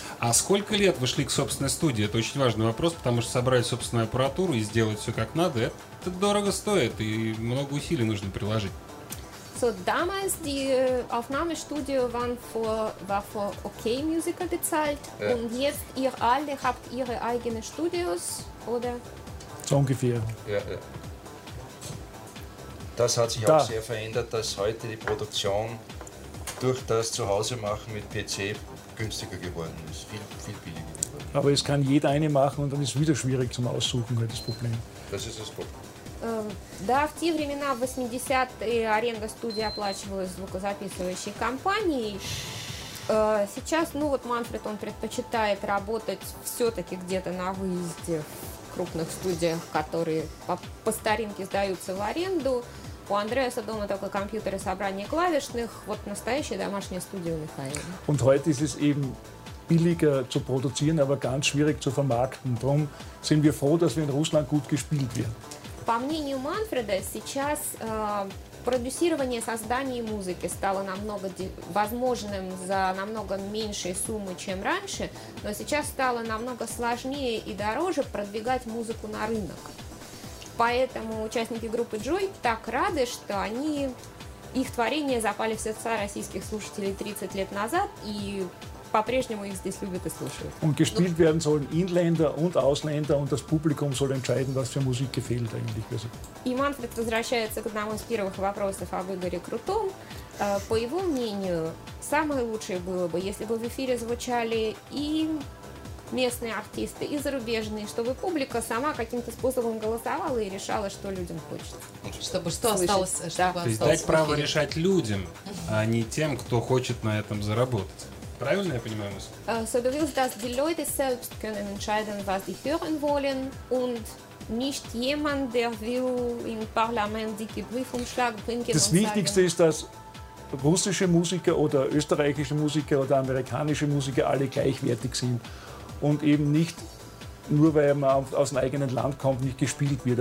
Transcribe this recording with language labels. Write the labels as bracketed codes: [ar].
[ru] А сколько лет вы шли к собственной студии? Это очень важный вопрос, потому что собрать собственную аппаратуру и сделать все как надо, это дорого стоит и много усилий нужно приложить. [de] So, damals die Aufnahmestudio war für OK Music bezahlt. Yeah. Und jetzt ihr alle habt ihre eigene Studios, oder? So ungefähr. Ja, ja. Das hat sich auch sehr verändert, dass heute die Produktion durch das Zuhause-Machen mit PC günstiger geworden ist, viel, viel billiger geworden. Aber es kann jeder eine machen und dann ist es wieder schwierig zum Aussuchen, das Problem. Das ist das Problem. [ru] Да, в те времена, в 80-е, аренда студии оплачивалась звукозаписывающей компанией. Сейчас, ну вот Манфред, он предпочитает работать все-таки где-то на выезде. Крупных студиях, которые по старинке сдаются в аренду. У Андреаса дома только компьютер и собрание клавишных. Вот настоящая домашняя студия у Михаила. [de] Und heute ist es eben billiger zu produzieren, aber ganz schwierig zu vermarkten. Darum sind wir froh, dass wir in Russland gut gespielt werden. [ru] По мнению Манфреда, сейчас продюсирование, создание музыки стало намного возможным за намного меньшие суммы, чем раньше, но сейчас стало намного сложнее и дороже продвигать музыку на рынок. Поэтому участники группы Joy так рады, что они, их творения запали в сердца российских слушателей 30 лет назад, и по-прежнему их здесь любят и слушают. [de] Und gespielt werden sollen Inländer und Ausländer, und das Publikum soll entscheiden, was für Musik gefällt eigentlich. [ru] И Манфред возвращается к одному из первых вопросов об Игоре Крутом. По его мнению, самое лучшее было бы, если бы в эфире звучали и местные артисты, и зарубежные, чтобы публика сама каким-то способом голосовала и решала, что людям хочется. Чтобы что слышать. Осталось, чтобы то есть дать право решать людям, а не тем, кто хочет на этом заработать. Правильно я понимаю вас? [de] So du willst, dass die Leute selbst können entscheiden, was sie hören wollen und nicht jemand, der will im Parlament dicke Briefumschlag bringen. Das Wichtigste ist, dass russische Musiker oder österreichische Musiker oder amerikanische Musiker alle gleichwertig sind und eben nicht nur, weil man aus dem eigenen Land kommt, nicht gespielt wird.